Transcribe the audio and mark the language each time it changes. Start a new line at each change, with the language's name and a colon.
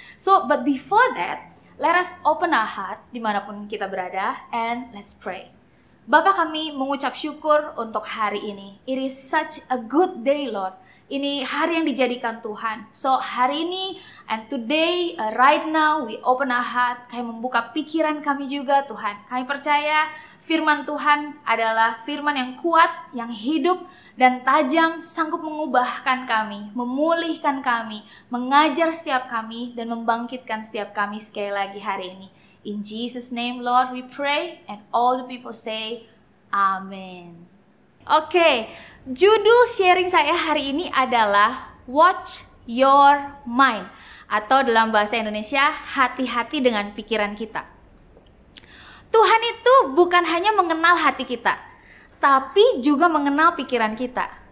English: So, but before that, let us open our heart
Indonesian: dimanapun kita berada,
English: and let's pray.
Indonesian: Bapa kami mengucap syukur untuk hari ini.
English: It is such a good day, Lord.
Indonesian: Ini hari yang dijadikan Tuhan.
English: So
Indonesian: hari ini
English: and today, right now, we open our heart.
Indonesian: Kami membuka pikiran kami juga, Tuhan. Kami percaya firman Tuhan adalah firman yang kuat, yang hidup, dan tajam, sanggup mengubahkan kami, memulihkan kami, mengajar setiap kami, dan membangkitkan setiap kami sekali lagi hari ini.
English: In Jesus' name, Lord, we pray, and all the people say, Amen.
Indonesian: Okay, judul sharing saya hari ini adalah Watch Your Mind, atau dalam bahasa Indonesia, hati-hati dengan pikiran kita. Tuhan itu bukan hanya mengenal hati kita, tapi juga mengenal pikiran kita.